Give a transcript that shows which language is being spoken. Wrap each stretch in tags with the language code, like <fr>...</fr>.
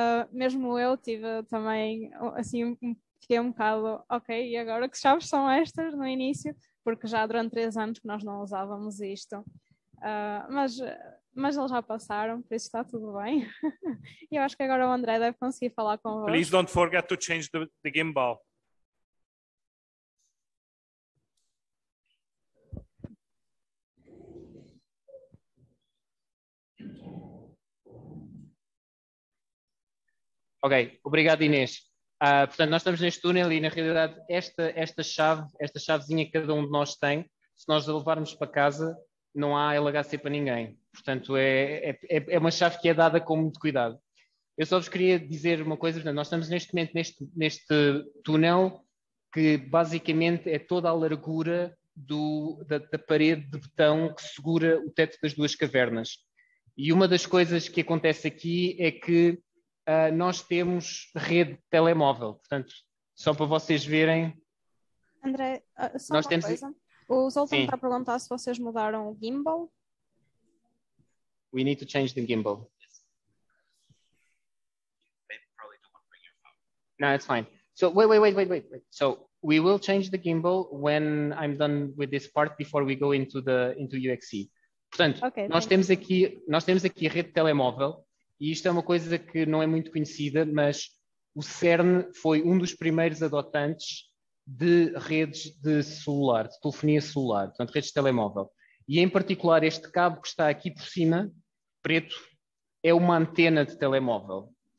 <pt>Mesmo eu tive também, assim, fiquei um bocado, ok, e agora que chaves são estas no início? Porque já durante 3 anos que nós não usávamos isto. Mas eles já passaram, por isso está tudo bem. E eu acho que agora o André deve conseguir falar com vocês.</pt> <en>Please don't forget to change the gimbal.</en> <pt>Ok, obrigado Inês. Portanto, nós estamos neste túnel e na realidade esta chavezinha que cada um de nós tem, se nós a levarmos para casa, não há LHC para ninguém. Portanto, é uma chave que é dada com muito cuidado. Eu só vos queria dizer uma coisa, portanto, nós estamos neste momento neste túnel que basicamente é toda a largura da parede de betão que segura o teto das duas cavernas. E uma das coisas que acontece aqui é que nós temos rede telemóvel, portanto, só para vocês verem. André, só nós uma temos... coisa. O Zoltan está a perguntar se vocês mudaram o gimbal.</pt> <en>We need to change the gimbal. Yes. No, it's fine. So, wait. So, we will change the gimbal when I'm done with this part before we go into UXE.</en> <pt>Portanto, okay, nós temos aqui a rede telemóvel. E isto é uma coisa que não é muito conhecida, mas o CERN foi um dos primeiros adotantes de redes de celular, de telefonia celular, portanto, redes de telemóvel. E em particular, este cabo que está aqui por cima, preto, é uma antena de telemóvel.</pt>